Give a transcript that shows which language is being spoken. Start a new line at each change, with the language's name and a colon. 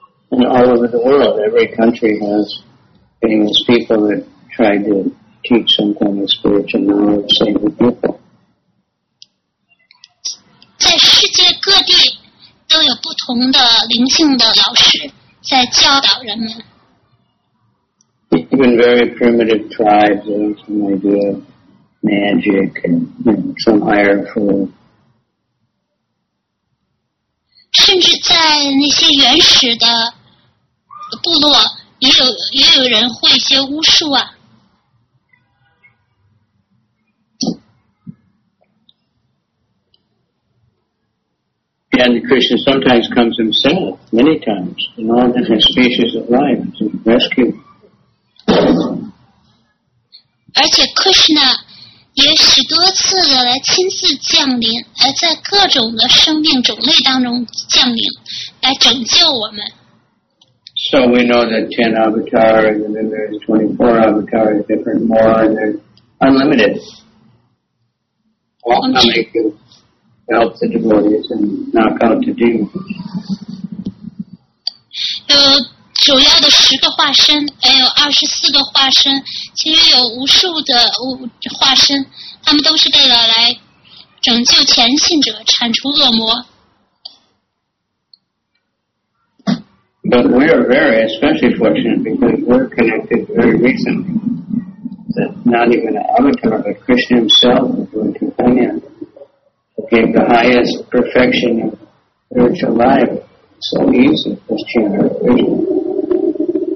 English: And all over the world, every country has famous people that try to teach some kind of spiritual knowledge to the people.
Chinese: 在世界各地都有不同的灵性的老师在教导人们。
English: Even very primitive tribes, they have some idea of magic and you know, some higher form.
Chinese: 甚至在那些原始的部落，也有人会一些巫术啊。
English: And Krishna sometimes comes himself, many times, in all different species of life to rescue.
Chinese: 而且 Krishna 也许多次的来亲自降临，而在各种的生命种类当中降临，来拯救我们。
English: So we know that 10 avatars and then there's 24 avatars, different more, and they're unlimited. All coming to help the devotees and knock out the demons.
Chinese: 主要的十个化身，还有二十四个化身，其实有无数的化身，他们都是为了来拯救前信者，铲除恶魔。
English: But we are very especially fortunate because we're connected very recently. That not even an avatar, but Krishna himself, our companion, gave the highest perfection of spiritual life so easy as chanting Krishna.